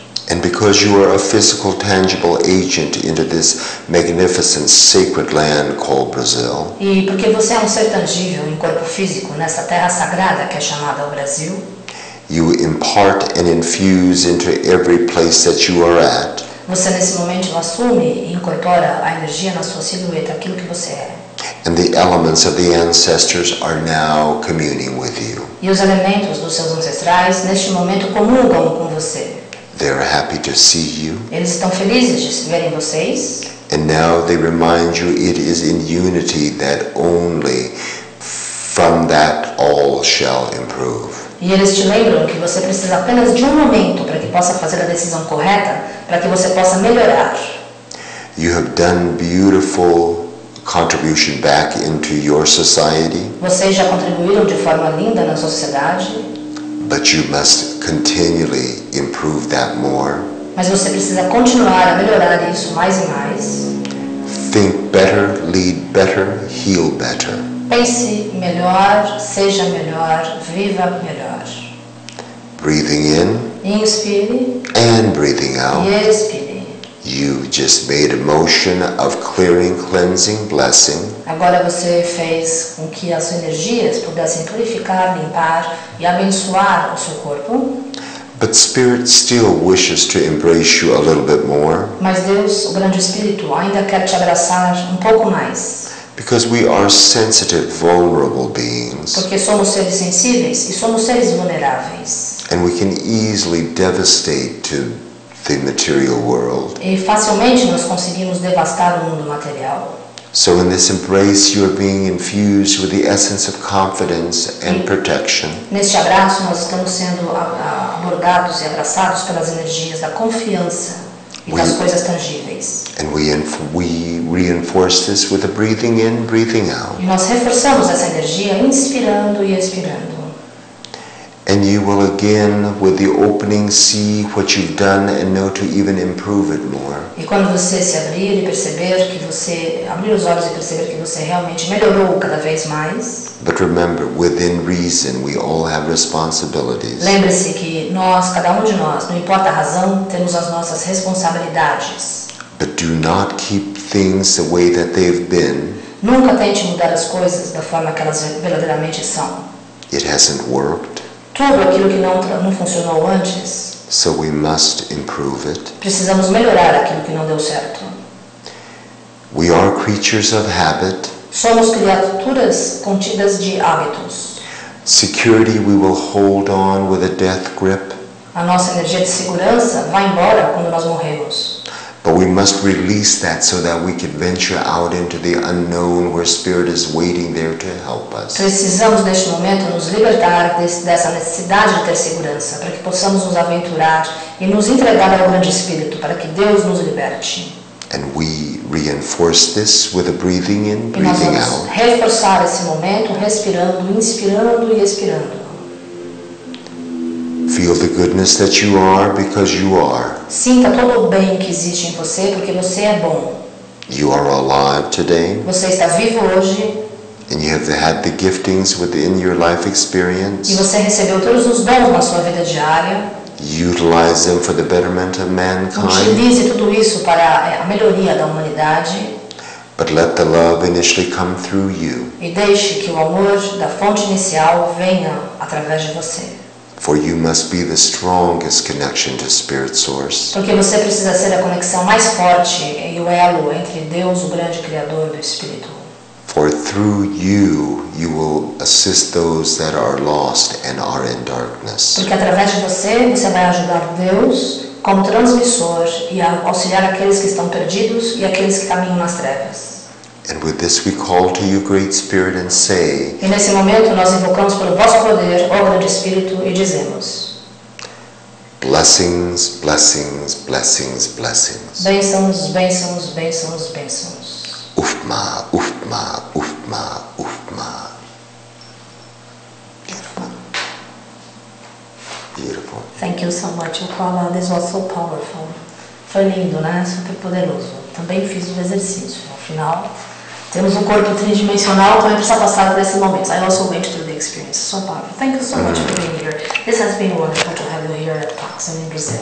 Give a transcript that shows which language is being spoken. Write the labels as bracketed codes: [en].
[en] And because you are a physical, tangible agent into this magnificent, sacred land called Brazil. [pt] E porque você é ser tangível em corpo físico nessa terra sagrada que é chamada o Brasil. [en] You impart and infuse into every place that you are at. [pt] Você nesse momento assume e incorpora a energia na sua silhueta, aquilo que você é. [en] And the elements of the ancestors are now communing with you. [pt] E os elementos dos seus ancestrais neste momento comungam com você. [en] They are happy to see you. [pt] Eles estão felizes de verem vocês. [en] And now they remind you it is in unity that only from that all shall improve. [pt] E eles te lembram que você precisa apenas de momento para que possa fazer a decisão correta, para que você possa melhorar. [en] You have done beautiful contribution back into your society. [pt] Vocês já contribuíram de forma linda na sociedade. [en] But you must continually improve that more. [pt] Mas você precisa continuar a melhorar isso mais e mais. [en] Think better, lead better, heal better. [pt] Pense melhor, seja melhor, viva melhor. [en] Breathing in. [pt] Inspire. [en] And breathing out. [pt] E expire. [en] You just made a motion of clearing, cleansing, blessing. [pt] Agora você fez com que as energias pudessem purificar, limpar e abençoar o seu corpo. [en] But spirit still wishes to embrace you a little bit more. [pt] Mas Deus, o grande espírito, ainda quer te abraçar pouco mais. [en] Because we are sensitive, vulnerable beings. [pt] Porque somos seres sensíveis e somos seres vulneráveis. [en] And we can easily devastate to the material world. [pt] E facilmente nós conseguimos devastar o mundo material. [en] So in this embrace you are being infused with the essence of confidence and protection. [pt] Neste abraço nós estamos sendo abordados e abraçados pelas energias da confiança. das coisas tangíveis. [en] And we reinforce this with a breathing in, breathing out. [pt] E nós reforçamos essa energia inspirando e expirando. [en] And you will again, with the opening, see what you've done and know to even improve it more. [pt] E quando você se abrir e perceber que você abrir os olhos e perceber que você realmente melhorou cada vez mais. [en] But remember, within reason, we all have responsibilities. [pt] Lembre-se que nós, cada de nós, não importa a razão, temos as nossas responsabilidades. [en] But do not keep things the way that they've been. [pt] Nunca tente mudar as coisas da forma que elas verdadeiramente são. [en] It hasn't worked. [pt] Tudo aquilo que não funcionou antes. [en] So we must improve it. [pt] Precisamos melhorar aquilo que não deu certo. [en] We are creatures of habit. [pt] Somos criaturas contidas de hábitos. [en] Security we will hold on with a death grip. [pt] A nossa energia de segurança vai embora quando nós morremos. [en] But we must release that so that we can venture out into the unknown where spirit is waiting there to help us. [pt] Precisamos neste momento nos libertar dessa necessidade de ter segurança para que possamos nos aventurar e nos entregar ao grande espírito para que Deus nos liberte. [en] And we reinforce this with a breathing in, breathing out. [pt] E nós vamos reforçar esse momento respirando, inspirando e expirando. [en] Feel the goodness that you are because you are. [pt] Sinta todo o bem que existe em você porque você é bom. [en] You are alive today. [pt] Você está vivo hoje. [en] And you have had the giftings within your life experience. [pt] E você recebeu todos os dons na sua vida diária. [en] Utilize them for the betterment of mankind. [pt] Utilize tudo isso para a melhoria da humanidade. [en] But let the love initially come through you. [pt] E deixe que o amor da fonte inicial venha através de você. [en] For you must be the strongest connection to Spirit Source. [pt] Porque você precisa ser a conexão mais forte e o elo entre Deus, o grande criador do espírito. [en] For through you, you will assist those that are lost and are in darkness. [pt] Porque através de você, você vai ajudar Deus como transmissor e a auxiliar aqueles que estão perdidos e aqueles que caminham nas trevas. [en] And with this we call to you, Great Spirit, and say, [pt] e nesse momento nós invocamos pelo vosso poder, ó grande espírito, e dizemos: [en] blessings, blessings, blessings, blessings. [pt] Bênçãos, bênçãos, bênçãos, bênçãos. Ufma, ufma, ufma, ufma. [en] Beautiful. Thank you so much, UQUALLA. This was so powerful. [pt] Foi lindo, né? Super poderoso. Também fiz o exercício. No final, temos corpo tridimensional, então precisa passar por esse momento. [en] I also went through the experience. So powerful. Thank you so much for being here. This has been wonderful to have you here at PAX and in Brazil.